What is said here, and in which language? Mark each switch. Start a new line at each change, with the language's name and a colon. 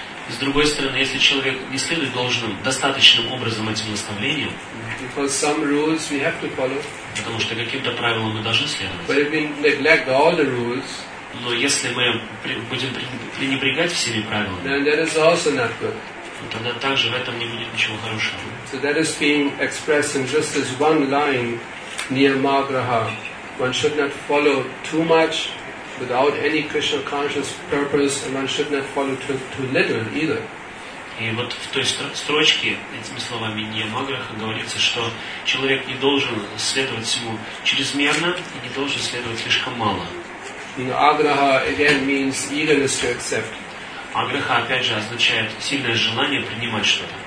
Russian: С другой стороны, если человек не следует должным, достаточным образом этим наставлениям,
English: because some rules we have to follow.
Russian: Потому что каким-то правилам мы должны следовать.
English: But if we neglect all the rules.
Russian: Но если мы будем пренебрегать всеми правилами,
English: then that is also not good.
Russian: Тогда также в этом не будет ничего хорошего.
English: So that is being expressed in just this one line, Niyamagraha. One should not follow too much without any Krishna conscious purpose, and one should not follow too little either.
Russian: И вот в той строчке этими словами Ньямаграха говорится, что человек не должен следовать всему чрезмерно и не должен следовать слишком мало. Аграха again means eagerness to accept. Аграха опять же означает сильное желание принимать что-то.